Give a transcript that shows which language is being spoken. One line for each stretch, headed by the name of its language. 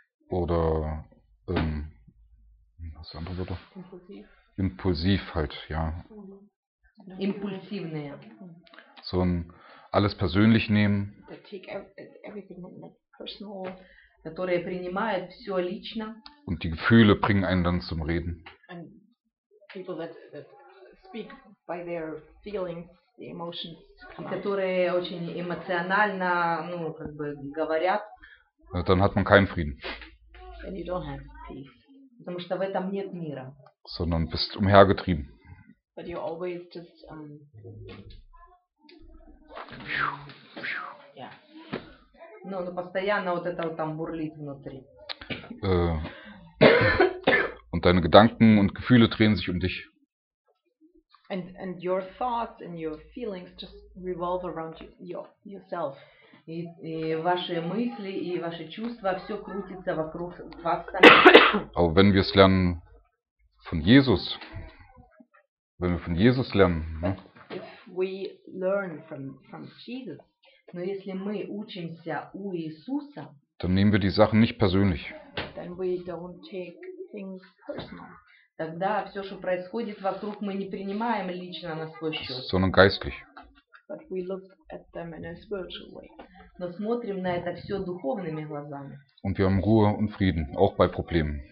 German: Oder was andere Wörter? Impulsiv halt, ja.
Russian: Impulsivные.
German: So ein alles persönlich nehmen.
English: They take everything personal.
Russian: Которые принимают все лично.
German: Und die Gefühle bringen einen dann zum Reden.
English: People that speak by their feelings, the emotions come out.
Russian: Которые очень эмоционально, ну, как бы говорят.
German: Dann hat man keinen Frieden.
English: And you don't have peace.
Russian: Потому что в этом нет мира.
German: Sondern bist umhergetrieben.
English: But you're always just
Russian: Ну, постоянно вот это вот там бурлит внутри.
German: Und deine Gedanken und Gefühle drehen sich um dich.
English: And your thoughts and your feelings just revolve around yourself.
Russian: И ваши мысли и ваши чувства все крутится вокруг вас.
German: Aber wenn wir es lernen von Jesus, wenn wir von Jesus lernen,
English: if we learn from Jesus,
Russian: но если мы учимся у Иисуса,
German: dann nehmen wir die Sachen nicht persönlich.
English: Then we don't take things personal.
Russian: Тогда все, что происходит вокруг, мы не принимаем лично на свой счет.
German: Sondern geistlich.
English: But we look at them in a spiritual way.
Russian: Но смотрим на это все духовными глазами.
German: Und wir haben Ruhe und Frieden, auch bei Problemen.